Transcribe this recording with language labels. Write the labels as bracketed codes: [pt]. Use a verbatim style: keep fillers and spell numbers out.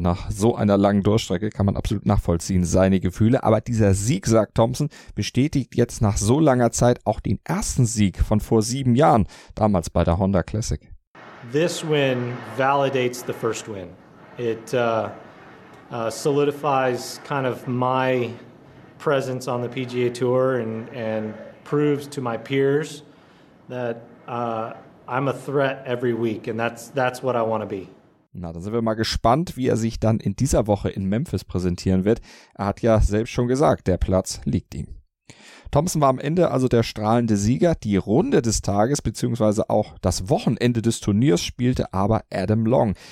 [de] Nach so einer langen Durchstrecke kann man absolut nachvollziehen, seine Gefühle. Aber dieser Sieg, sagt Thompson, bestätigt jetzt nach so langer Zeit auch den ersten Sieg von vor sieben Jahren, damals bei der Honda Classic. [en] This win validates the first win. It uh, uh, solidifies kind of my presence on the P G A Tour and, and proves to my peers that uh, I'm a threat every week and that's, that's what I want to be. [de] Na, dann sind wir mal gespannt, wie er sich dann in dieser Woche in Memphis präsentieren wird. Er hat ja selbst schon gesagt, der Platz liegt ihm. Thompson war am Ende also der strahlende Sieger. Die Runde des Tages bzw. auch das Wochenende des Turniers spielte aber Adam Long.